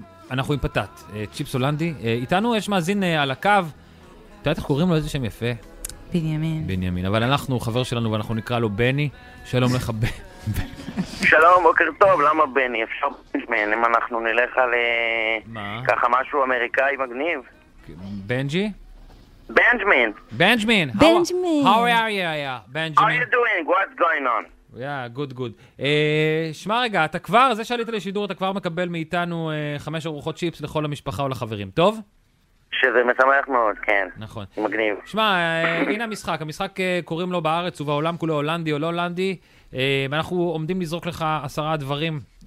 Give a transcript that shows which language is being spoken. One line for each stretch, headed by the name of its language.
Hebrew: אנחנו עם פטט, צ'יפס הולנדי. איתנו יש מאזין על הקו, אתה יודעת איך קוראים לו איזה שם יפה? בנימין. אבל אנחנו חבר שלנו ואנחנו נקרא לו בני, שלום לך בני. שלום, בוקר טוב, למה בני? אפשר בנג'מן, אם אנחנו נלך על ככה משהו אמריקאי מגניב. בנג'י? בנג'מן. בנג'מן. בנג'מן.
English: How are you, בנג'מן? How are you doing? What's going on? Yeah, good, good.
Hebrew: שמע רגע, אתה כבר, זה שעלית לשידור, אתה כבר מקבל מאיתנו 5 ארוחות צ'יפס לכל המשפחה או לחברים, טוב? שזה משמח מאוד, כן. נכון. מגניב. שמע, הנה המשחק. המשחק קוראים לו בארץ ובעולם כולו הולנדי או לא הולנדי. אנחנו עומדים לזרוק לך 10 דברים.